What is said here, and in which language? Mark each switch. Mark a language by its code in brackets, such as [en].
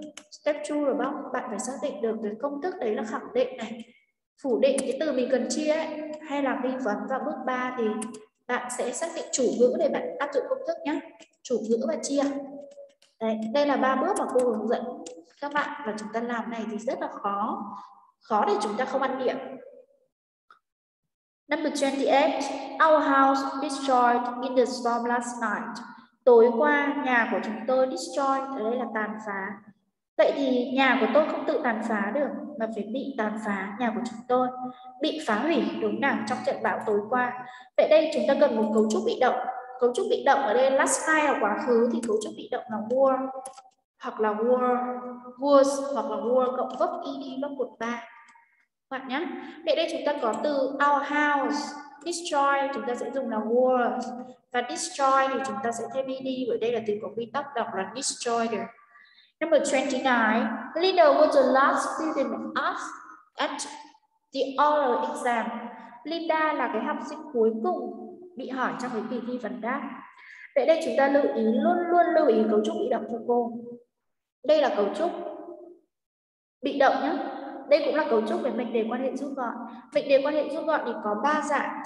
[vi] Step 2 là bao? Bạn phải xác định được cái công thức đấy là khẳng định này, phủ định cái từ mình cần chia ấy, hay là nghi vấn. Và bước 3 thì bạn sẽ xác định chủ ngữ để bạn áp dụng công thức nhá. Chủ ngữ và chia. Đấy, đây là ba bước mà cô hướng dẫn các bạn, và chúng ta làm này thì rất là khó. Khó để chúng ta không ăn điểm. [en] Number 28. Our house destroyed in the storm last night. [vi] Tối qua nhà của chúng tôi destroyed, đây là tàn phá. Vậy thì nhà của tôi không tự tàn phá được mà phải bị tàn phá, nhà của chúng tôi bị phá hủy đúng nào trong trận bão tối qua. Vậy đây chúng ta cần một cấu trúc bị động. Cấu trúc bị động ở đây last night là quá khứ, thì cấu trúc bị động là were hoặc là were, was hoặc là were cộng verb ed verb cột 3. Bạn nhé. Vậy đây chúng ta có từ [en] our house destroy, [vi] chúng ta sẽ dùng là were, và destroy thì chúng ta sẽ thêm ed, bởi đây là từ có quy tắc đọc là destroyed. [en] Number 29. Linda was the last student asked at the oral exam. [vi] Linda là cái học sinh cuối cùng bị hỏi trong cái kỳ thi vấn đáp. Vậy đây chúng ta lưu ý, luôn luôn lưu ý cấu trúc bị động cho cô. Đây là cấu trúc bị động nhé. Đây cũng là cấu trúc về mệnh đề quan hệ rút gọn. Mệnh đề quan hệ rút gọn thì có 3 dạng.